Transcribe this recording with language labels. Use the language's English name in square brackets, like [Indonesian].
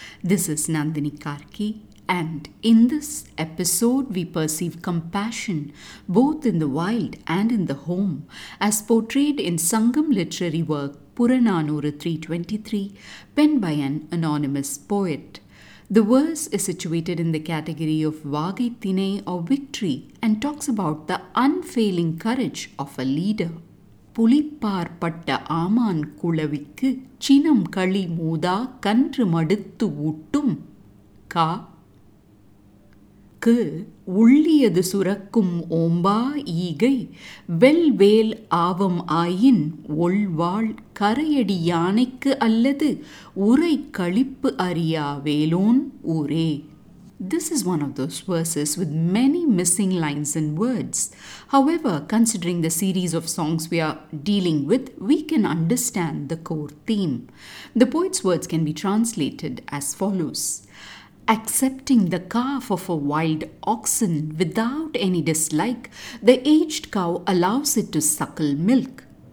[English] This is Nandini Karki, and in this episode we perceive compassion both in the wild and in the home as portrayed in Sangam literary work Puranaanooru 323, penned by an anonymous poet. The verse is situated in the category of Vaagai Thinai or victory and talks about the unfailing courage of a leader. [Tamil] Pulippar பட்ட ஆமான் குளவிக்கு சினம் களி மூதா கன்று மடுத்து ஊட்டும் கா கு உள்ளியது சுரக்கும் ஓம்பா ஈகை வெல்வேல் ஆவம் ஆயின் ஒள்வாள் கரையடி யானைக்கு அல்லது உரை கழிப்பு அறியா வேலோன் ஊரே. [English] This is one of those verses with many missing lines and words. However, considering the series of songs we are dealing with, we can understand the core theme. The poet's words can be translated as follows. Accepting the calf of a wild oxen without any dislike, the aged cow allows it to suckle milk.